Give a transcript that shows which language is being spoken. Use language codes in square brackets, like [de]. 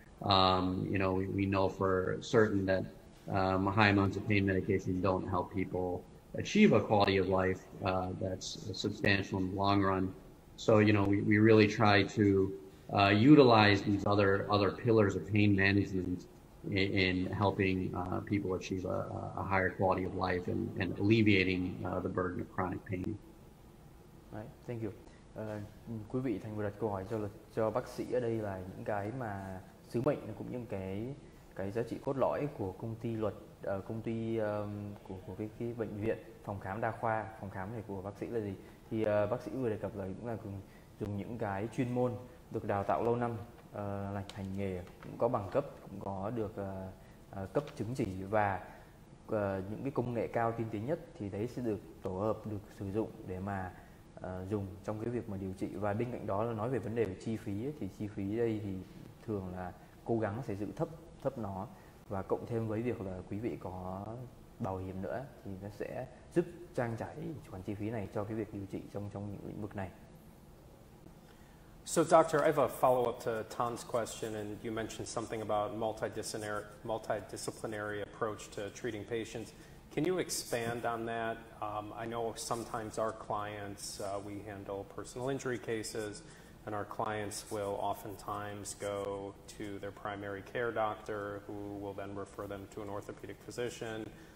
[en] You know, we know for certain that high amounts of pain medication don't help people achieve a quality of life that's substantial in the long run. So, you know, we really try to utilize these other pillars of pain management in helping people achieve a higher quality of life and alleviating the burden of chronic pain. Right, thank you. [vi] Quý vị thành vừa đặt câu hỏi cho bác sĩ ở đây là những cái mà sứ mệnh cũng như cái giá trị cốt lõi của công ty luật, công ty của cái bệnh viện, phòng khám đa khoa, phòng khám này của bác sĩ là gì. Thì bác sĩ vừa đề cập là cũng là dùng những cái chuyên môn được đào tạo lâu năm, lành hành nghề, cũng có bằng cấp, cũng có được cấp chứng chỉ, và những cái công nghệ cao tiên tiến nhất thì đấy sẽ được tổ hợp, được sử dụng để mà dùng trong cái việc mà điều trị. Và bên cạnh đó là nói về vấn đề về chi phí ấy, thì chi phí đây thì thường là cố gắng sẽ giữ thấp nó, và cộng thêm với việc là quý vị có bảo hiểm nữa thì nó sẽ giúp trang trải khoản chi phí này cho cái việc điều trị trong những lĩnh vực này. [en] So doctor, I have a follow-up to Tom's question, and you mentioned something about multidisciplinary approach to treating patients. Can you expand on that? I know sometimes our clients, we handle personal injury cases, and our clients will oftentimes go to their primary care doctor, who will then refer them to an orthopedic physician,